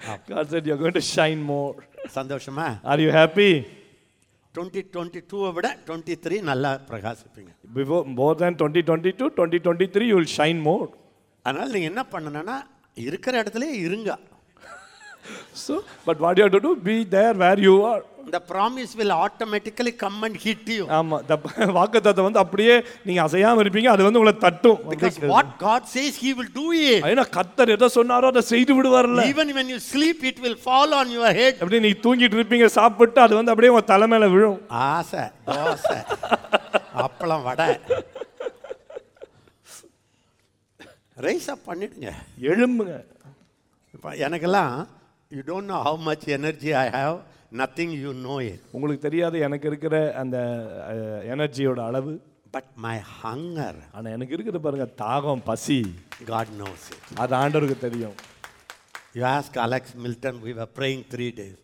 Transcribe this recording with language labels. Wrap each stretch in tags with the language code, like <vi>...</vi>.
<en>God said you're going to shine more.</en> <ta>சந்தோஷமா?</ta> <en>Are you happy?</en> <ta>2022 விட 23 நல்லா பிரகாசிப்பீங்க.</ta> <en>Before more than 2022 2023 you will shine more.</en> <ta>அதனால நீங்க என்ன பண்ணணும்னா இருக்கிற இடத்துலயே இருங்க.</ta> <en>So but what you have to do, be there where you are. The promise will automatically come and hit you.</en> <ta>ஆமா, the வாக்குத்தத்தம் வந்து அப்படியே நீங்க அசையாம இருப்பீங்க. அது வந்து உங்களை தட்டும்.</ta> <en>Because what God says he will do it.</en> <ta>Aina கர்த்தர் எதை சொன்னாரோ அதை செய்து விடுவார்ல.</ta> <en>Even when you sleep it will fall on your head.</en> <ta>அப்படியே நீ தூங்கிட்டு இருப்பீங்க சாப்பிட்டு அது வந்து அப்படியே உங்க தலை மேல விழும். ஆசை தோசை அப்பளம் வடை.</ta> <en>Raise up</en> <ta>பண்ணிடுங்க. எழும்புங்க. எனக்கெல்லாம்</ta> <en>You don't know how much energy I have. Nothing you know it.</en> <ta>உங்களுக்கு தெரியாது எனக்கு இருக்கிற அந்த எனர்ஜியோட அளவு.</ta> <en>But my hunger.</en> <ta>ஆனா எனக்கு இருக்குது பாருங்க தாகம் பசி.</ta> <en>God knows it.</en> <ta>அது ஆண்டவருக்கு தெரியும்.</ta> <en>You ask Alex Milton, we were praying 3 days.</en>